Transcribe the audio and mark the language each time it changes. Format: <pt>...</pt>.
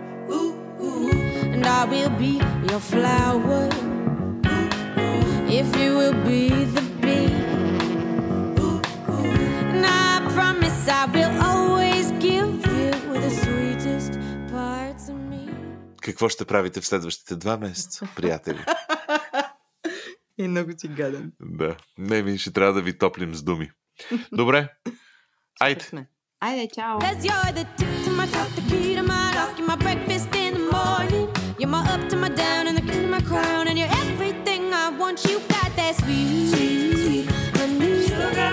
<en>Ooh, ooh, ooh. And I will be your flower, ooh, ooh. If you will be the bee. Ooh, ooh. And I promise I will always give you the sweetest parts of me.</en> <bg>Какво ще правите в следващите два месеца, приятели? И много ти гаден. Да. Не, ми ще трябва да ви топлим с думи. Добре. Айде. Айде, чао.</bg> <en>Cuz you're the tip to my top, the key to my lock, you're my breakfast in the morning, you're my up to my down and the king of my crown, and you're everything I want, you got that sweet, sweet, sweet honey sugar.</en>